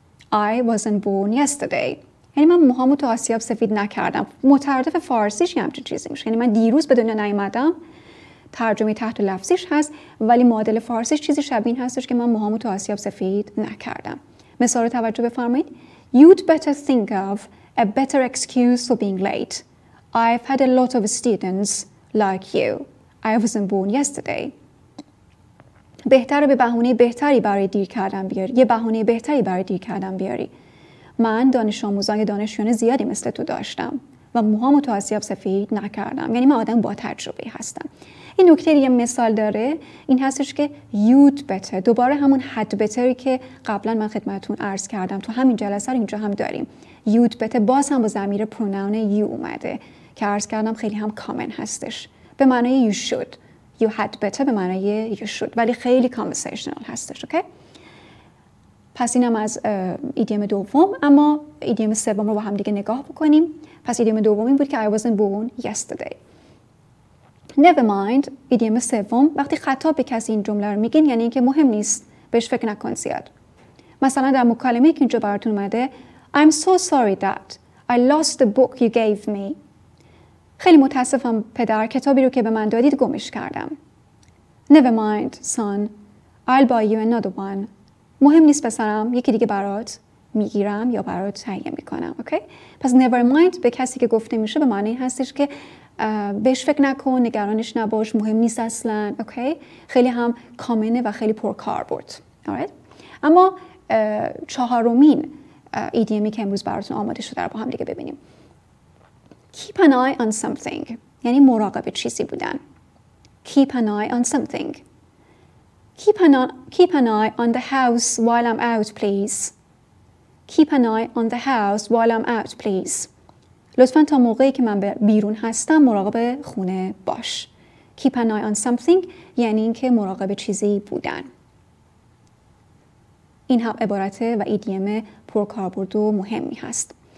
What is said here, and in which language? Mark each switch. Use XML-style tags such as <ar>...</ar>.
<en>I wasn't born yesterday,</en> <fa>یعنی من موهامو تو آسیاب سفید نکردم. مترادف فارسیش هم چه چیزی میشه، یعنی من دیروز به دنیا نیومدم. ترجمه تحت لفظیش هست، ولی معادل فارسیش چیزی شبیه این هستش که من موهامو تو آسیاب سفید نکردم. مثال رو توجه بفرمایید.</fa> <en>You'd better think of a better excuse for being late. I've had a lot of students like you. I wasn't born yesterday.</en> <fa>بهتره به بهونه بهتری برای دیر کردن بیاری. یه بهونه بهتری برای دیر کردن بیاری. من دانش آموزان دانشجویان زیادی مثل تو داشتم و موهامو تو آسیاب سفید نکردم. یعنی من آدم با تجربه هستم. این نکته یه مثال داره، این هستش که you'd better، دوباره همون had better که قبلا من خدمتتون عرض کردم تو همین جلسه رو اینجا هم داریم. you'd better باز هم با ضمیر پرونون you اومده که عرض کردم خیلی هم common هستش، به معنای you should. you had better به معنای you should، ولی خیلی conversational هستش. اوکی، پس اینم از ایدیم دوم. اما ایدیم سوم رو با هم دیگه نگاه بکنیم. پس ایدیم دوم این بود که</fa> <en>I wasn't born yesterday.</en> <fa>Never mind، ایدیم سوم، وقتی خطاب به کسی این جمله رو میگین یعنی اینکه مهم نیست، بهش فکر نکن زیاد. مثلا در مکالمه که اینجا براتون اومده،</fa> <en>I'm so sorry that I lost the book you gave me.</en> <fa>خیلی متاسفم پدر، کتابی رو که به من دادید گمش کردم.</fa> <en>Never mind son، I'll buy you another one.</en> <fa>مهم نیست پسرم، یکی دیگه برات میگیرم یا برات تهیه میکنم. اوکی، پس never mind به کسی که گفته میشه به معنی هستش که بهش فکر نکن، نگرانش نباش، مهم نیست اصلا. اوکی، خیلی هم کامنه و خیلی پرکاربرد. آره، اما چهارمین ایدیمی که امروز براتون آماده شده رو با هم دیگه ببینیم.</fa> <en>keep an eye on something</en> <fa>یعنی مراقب چیزی بودن.</fa> <en>keep an eye on something. keep an eye on the house while I'm out please. keep an eye on the house while I'm out please.</en> <fa>لطفاً تا موقعی که من بیرون هستم مراقب خونه باش.</fa> <en>keep an eye on something</en> <fa>یعنی اینکه مراقب چیزی بودن. این هم عبارت و ایدیم پرکاربرد و مهمی هست.</fa>